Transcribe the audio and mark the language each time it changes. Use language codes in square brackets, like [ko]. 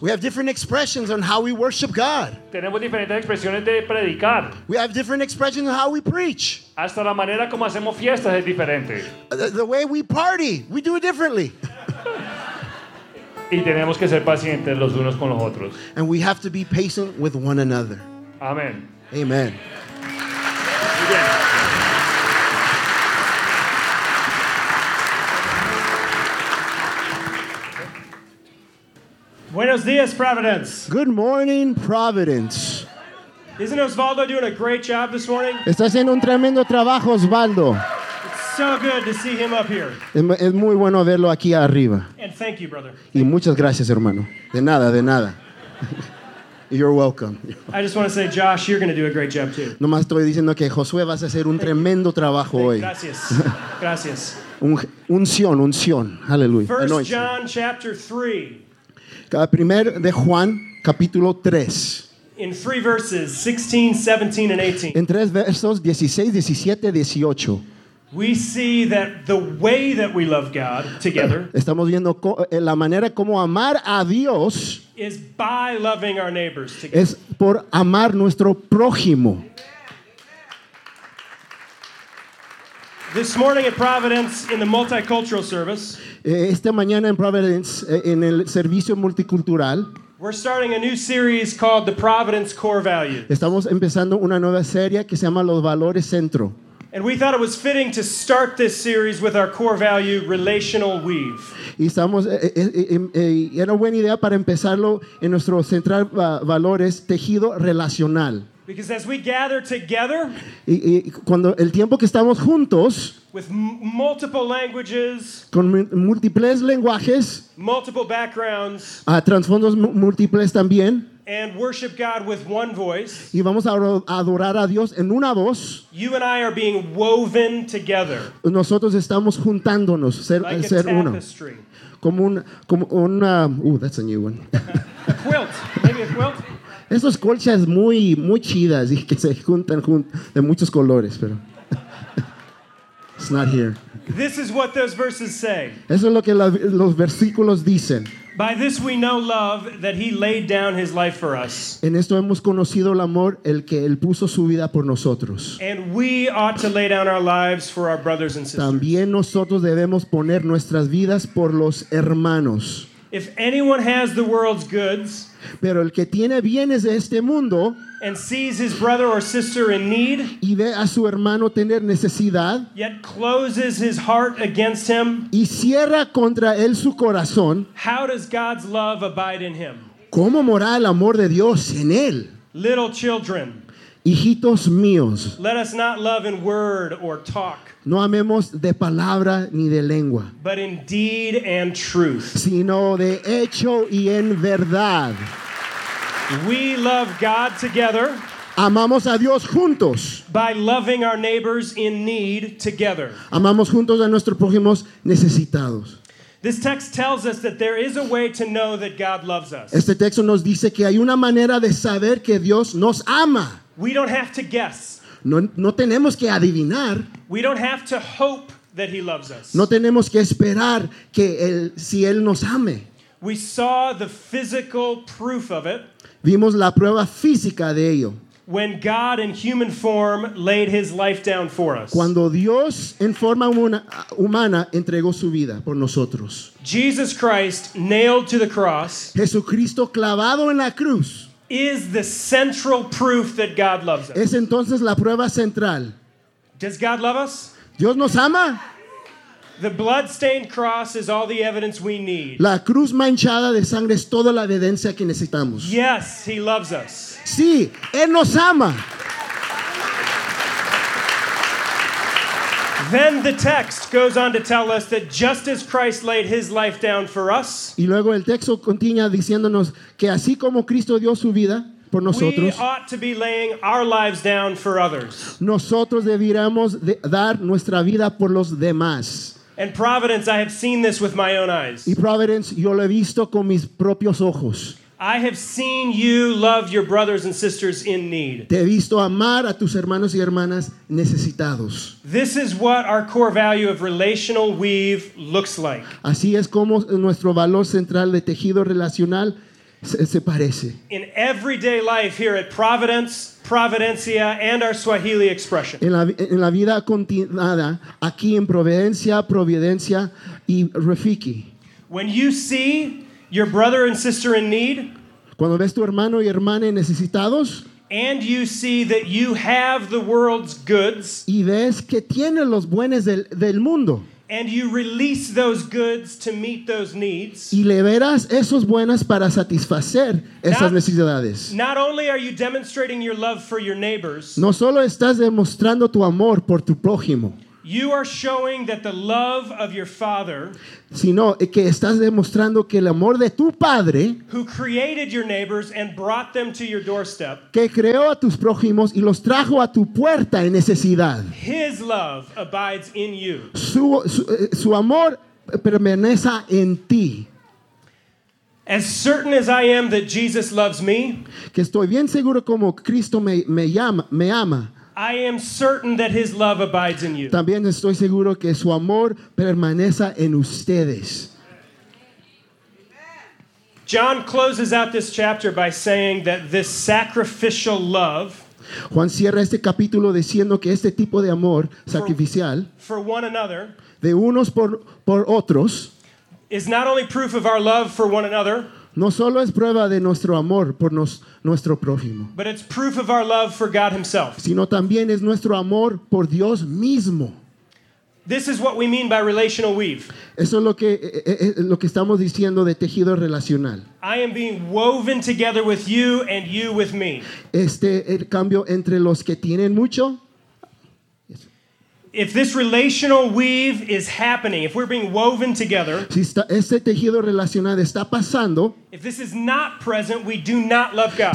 [en] We have different expressions on how we worship God. [es] Tenemos diferentes expresiones de predicar. [en] We have different expressions on how we preach. [es] Hasta la manera como hacemos fiestas es diferente. [en] The way we party, we do it differently. [es] Y tenemos que ser pacientes los unos con los otros. [en] And we have to be patient with one another. Amen. Amen. [es] Buenos días, Providence. [en] Good morning, Providence. Isn't Osvaldo doing a great job this morning? [es] Está haciendo un tremendo trabajo, Osvaldo. [en] It's so good to see him up here. [es] Es muy bueno verlo aquí arriba. [en] And thank you, brother. [es] Y muchas gracias, hermano. De nada, de nada. [en] You're welcome. I just want to say, Josh, you're going to do a great job too. [es] Nomás estoy diciendo que Josué vas a hacer un tremendo trabajo hoy. Gracias. Gracias. Unción, unción. Aleluya. [en] 1 John chapter 3. [es] Primer de Juan, capítulo 3. [en] In 3 verses, 16, 17, and 18. [es] En 3 versos, 16, 17, 18. [en] We see that the way that we love God together. [es] Estamos viendo la manera como amar a Dios. [en] Is by loving our neighbors together. [es] Es por amar nuestro prójimo. [en] This morning at Providence in the multicultural service. [es] Esta mañana en Providence en el servicio multicultural. [en] We're starting a new series called the Providence Core Values. [es] Estamos empezando una nueva serie que se llama Los Valores Centro. [en] And we thought it was fitting to start this series with our core value, relational weave. [es] Y estamos era buena idea para empezarlo en nuestro central valores tejido relacional. [en] Because as we gather together, [es] y cuando el tiempo que estamos juntos, [en] with multiple languages, [es] con múltiples lenguajes, [en] multiple backgrounds, [es] trasfondos múltiples también, [en] and worship God with one voice, [es] y vamos a adorar a Dios en una voz, [en] you and I are being woven together, [es] nosotros estamos juntándonos, ser uno, [en] that's a new one, a quilt, maybe a quilt. [es] Esas colchas muy, muy chidas y que se juntan de muchos colores, pero [en] it's not here. This is what those verses say. [es] Eso es lo que los versículos dicen. [en] By this we know love, that he laid down his life for us. [es] En esto hemos conocido el amor, el que él puso su vida por nosotros. [en] And we ought to lay down our lives for our brothers and sisters. [es] También nosotros debemos poner nuestras vidas por los hermanos. [en] If anyone has the world's goods, [es] pero el que tiene bienes de este mundo, [en] and sees his brother or sister in need, [es] y ve a su hermano tener necesidad, [en] yet closes his heart against him, [es] y cierra contra él su corazón, [en] how does God's love abide in him? [es] ¿Cómo mora el amor de Dios en él? [en] Little children, [es] hijitos míos, [en] let us not love in word or talk. [es] No amemos de palabra ni de lengua, [en] but in deed and truth. [es] Sino de hecho y en verdad. [en] We love God together. [es] Amamos a Dios juntos. [en] By loving our neighbors in need together. [es] Amamos juntos a nuestros prójimos necesitados. [en] This text tells us that there is a way to know that God loves us. [es] Este texto nos dice que hay una manera de saber que Dios nos ama. [en] We don't have to guess. [es] No tenemos que adivinar. [en] We don't have to hope that he loves us. [es] No tenemos que esperar que él, si él nos ame. [en] We saw the physical proof of it. [es] Vimos la prueba física de ello. [en] When God in human form laid his life down for us. [es] Cuando Dios en forma humana entregó su vida por nosotros. [en] Jesus Christ nailed to the cross. [es] Jesucristo clavado en la cruz. [en] Is the central proof that God loves us. [es] Es entonces la prueba central. [en] Does God love us? [es] ¿Dios nos ama? [en] The blood-stained cross is all the evidence we need. [es] La cruz manchada de sangre es toda la evidencia que necesitamos. [en] Yes, he loves us. [es] Sí, él nos ama. [en] Then the text goes on to tell us that just as Christ laid his life down for us, [es] y luego el texto continúa diciéndonos que así como Cristo dio su vida por nosotros, [en] we ought to be laying our lives down for others. [es] Nosotros deberíamos dar nuestra vida por los demás. [en] And Providence, I have seen this with my own eyes. [es] Y Providence, yo lo he visto con mis propios ojos. [en] I have seen you love your brothers and sisters in need. [es] Te he visto amar a tus hermanos y hermanas necesitados. [en] This is what our core value of relational weave looks like. [es] Así es como nuestro valor central de tejido relacional se parece. [en] In everyday life here at Providence, Providencia, and our Swahili expression. [es] En la vida continuada aquí en Providencia, Providencia y Rafiki. [en] When you see your brother and sister in need, [es] cuando ves tu hermano y hermana necesitados, [en] and you see that you have the world's goods, [es] y ves que tienes los bienes del mundo, [en] and you release those goods to meet those needs, [es] y liberas esos buenas para satisfacer esas necesidades. [en] Not only are you demonstrating your love for your neighbors, [es] no solo estás demostrando tu amor por tu prójimo, [en] you are showing that the love of your father, [es] sino que estás demostrando que el amor de tu padre, [en] who created your neighbors and brought them to your doorstep, [es] que creó a tus prójimos y los trajo a tu puerta en necesidad. [en] His love abides in you. [es] Su amor permanece en ti. [en] As certain as I am that Jesus loves me, [es] que estoy bien seguro como Cristo me ama. [en] I am certain that his love abides in you. [es] También estoy seguro que su amor permanece en ustedes. [en] John closes out this chapter by saying that this sacrificial love, [es] Juan cierra este capítulo diciendo que este tipo de amor sacrificial, [en] for one another, [es] de unos por otros, [en] is not only proof of our love for one another, [es] no solo es prueba de nuestro amor por nuestro prójimo, [en] but it's proof of our love for God himself, [es] sino también es nuestro amor por Dios mismo. [en] This is what we mean by relational weave. [es] Eso es lo que estamos diciendo de tejido relacional. [en] I am being woven together with you and you with me. [es] Este el cambio entre los que tienen mucho. [en] If this relational weave is happening, if we're being woven together, [es] si está, este tejido relacional está pasando, [en] if this is not present, we do not love God.